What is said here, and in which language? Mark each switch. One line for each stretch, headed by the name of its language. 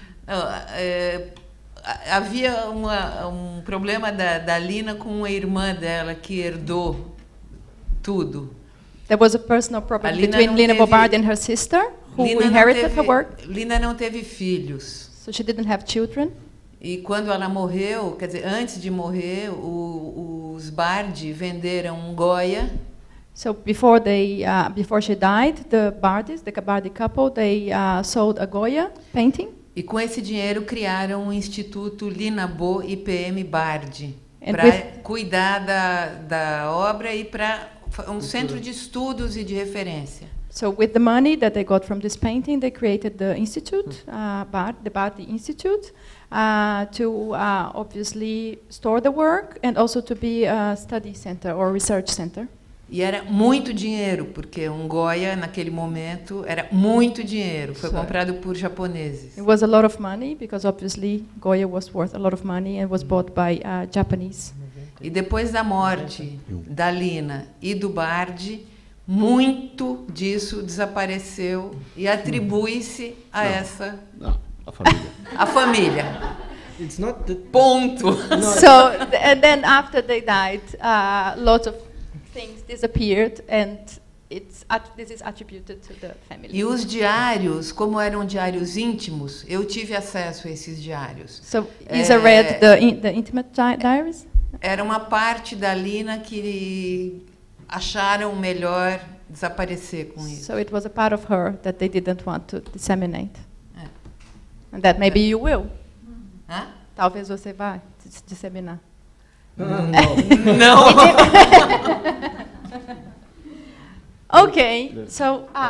Portuguese: Havia um problema da Lina com a irmã dela que herdou tudo.
English: There was a personal problem between Lina Bo Bardi and her sister, who Lina inherited her work.
Portuguese: Lina não teve filhos.
English: So she didn't have children.
Portuguese: E quando ela morreu, quer dizer, antes de morrer, os Bardi venderam um Goya.
English: So before they, before she died, the Bardis, the Bardi couple, they sold a Goya painting.
Portuguese: E com esse dinheiro criaram o Instituto Lina Bo e PM Bardi para cuidar da obra e para um centro de estudos e de referência.
English: So with the money that they got from this painting, they created the institute, the Bardi Institute, to obviously store the work and also to be a study center or research center.
Portuguese: E era muito dinheiro, porque um Goya, naquele momento, era muito dinheiro. Foi comprado por japoneses.
English: It was a lot of money, because obviously Goya was worth a lot of money and was bought by Japanese.
Portuguese: E depois da morte da Lina e do Bardi, muito disso desapareceu e atribui-se a essa... Não, a família. A família.
English: It's not the...
Portuguese: Ponto.
English: So, and then after they died, lots of... things disappeared and this is attributed to the family.
Portuguese: E os diários, como eram diários íntimos, eu tive acesso a esses diários.
English: So, Isa read the intimate diaries?
Portuguese: Era uma parte da Lina que acharam melhor desaparecer com isso.
English: So, it was a part of her that they didn't want to disseminate. And that maybe you will. Huh?
Portuguese: Talvez você vá disseminar.
English: No. No. Okay. So